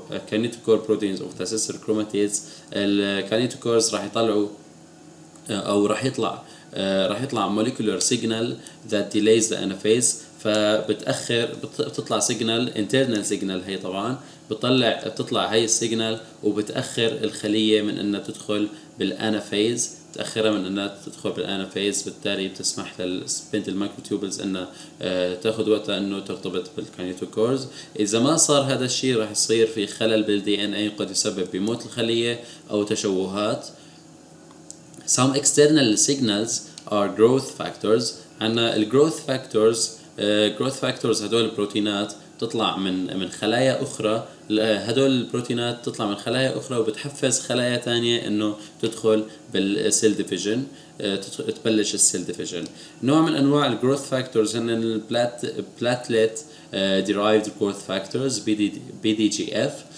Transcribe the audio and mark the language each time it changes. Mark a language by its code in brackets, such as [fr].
[en] kinetochore proteins of the sister chromatids, [ar] الكاينيتو كورز راح يطلعوا او راح يطلع راح يطلع [en] molecular signal that delays the anaphase, [ar] فبتاخر بتطلع سيجنال انترنال سيجنال، هي طبعا بتطلع بتطلع هي السيجنال وبتاخر الخليه من انها تدخل بالانافيز، تاخرها من انها تدخل بالانافيز، بالتالي بتسمح للسبنت المايكروتوبلز انها تاخذ وقتها انه ترتبط بالكاينيتو كورز. اذا ما صار هذا الشيء راح يصير في خلل بالدي ان اي قد يسبب بموت الخليه او تشوهات. [en] Some external signals are growth factors. [ar] عنا الgrowth factors، growth factors هدول البروتينات تطلع من خلايا أخرى، هدول البروتينات تطلع من خلايا أخرى وبتحفز خلايا تانية إنه تدخل بالcell division، تبلش cell division. نوع من أنواع growth factors هن platelet derived growth factors BDGF.